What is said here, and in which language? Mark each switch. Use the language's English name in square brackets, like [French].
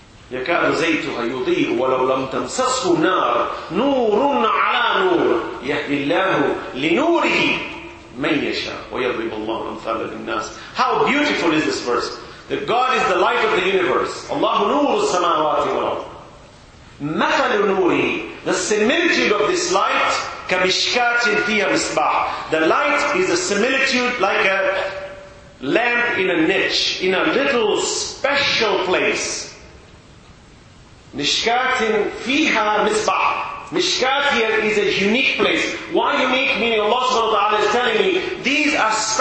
[Arabic] يكاد زيتها يضيء ولو لم تمسسه نار نور على نور يهدي الله لنوره من يشاء ويضرب الله الأمثال للناس. [English] How beautiful is this verse? That God is the light of the universe. [Arabic] Allah نور السماوات والأرض. مثل نوره. [English] The similitude of this light [Arabic] كمشكات فيها مصباح. [English] The light is a similitude like a lamp in a niche, in a little special place. [Arabic] Mishkatin fiha misbah. [English] Mishkat here is a unique place. Why unique? Meaning Allah subhanahu wa ta'ala is telling me these are special.